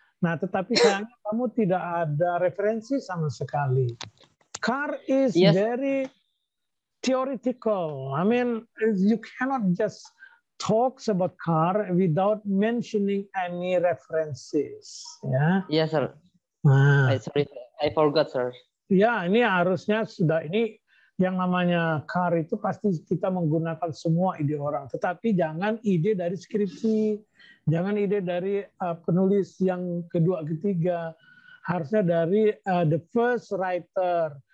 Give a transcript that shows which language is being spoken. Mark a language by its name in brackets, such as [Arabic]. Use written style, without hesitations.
[Indonesian] Nah, tetapi sayang kamu tidak ada referensi sama sekali. [English] Car is yes. Very theoretical. I mean, you cannot just talks about car without mentioning any references. Yeah. Yes, sir. Sorry, I forgot, sir. [Indonesian] Yeah, ini harusnya sudah ini yang namanya CAR itu pasti kita menggunakan semua ide orang, tetapi jangan ide dari skripsi, jangan ide dari penulis yang kedua ketiga, harusnya dari [English] the first writer.